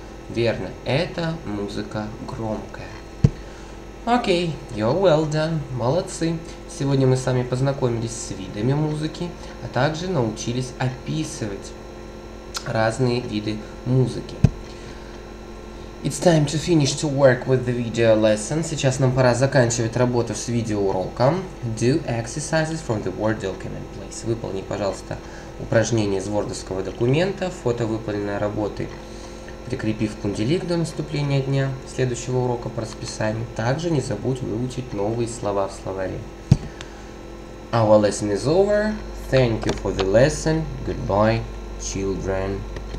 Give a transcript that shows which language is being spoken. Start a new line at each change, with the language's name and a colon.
Russian: Верно, это музыка громкая.
English: Окей, you're well done,
Russian: молодцы. Сегодня мы с вами познакомились с видами музыки, а также научились описывать разные виды музыки.
English: It's time to finish to work with the video lesson.
Russian: Сейчас нам пора заканчивать работу с видеоуроком.
English: Do exercises from the Word document, please.
Russian: Выполни, пожалуйста, упражнение из Word-овского документа, фото выполненной работы, прикрепив кундилинг до наступления дня следующего урока по расписанию. Также не забудь выучить новые слова в словаре.
English: Our lesson is over. Thank you for the lesson. Goodbye, children.